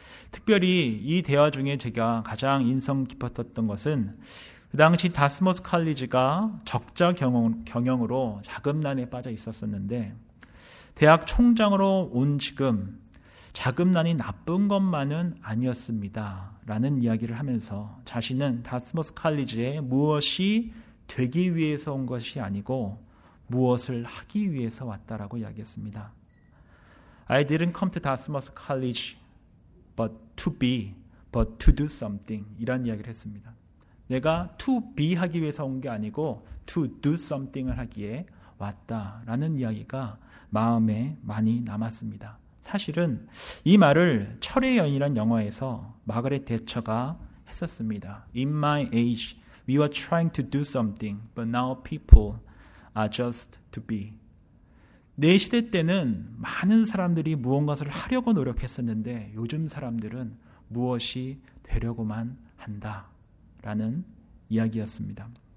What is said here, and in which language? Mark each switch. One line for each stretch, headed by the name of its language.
Korean: 특별히 이 대화 중에 제가 가장 인상 깊었던 것은 그 당시 다스모스 칼리지가 적자 경영으로 자금난에 빠져 있었었는데 대학 총장으로 온 지금 자금난이 나쁜 것만은 아니었습니다 라는 이야기를 하면서 자신은 다스모스 칼리지의 무엇이 되기 위해서 온 것이 아니고 무엇을 하기 위해서 왔다라고 이야기했습니다.
English: I didn't come to Dartmouth College but to be, but to do something.
Korean: 이런 이야기를 했습니다. 내가 to be 하기 위해서 온 게 아니고
English: to do something
Korean: 을 하기에 왔다라는 이야기가 마음에 많이 남았습니다. 사실은 이 말을 철의 여인이라는 영화에서 마그렛 대처가 했었습니다.
English: In my age, we were trying to do something, but now people are just to be.
Korean: 내 시대 때는 많은 사람들이 무언가를 하려고 노력했었는데 요즘 사람들은 무엇이 되려고만 한다라는 이야기였습니다.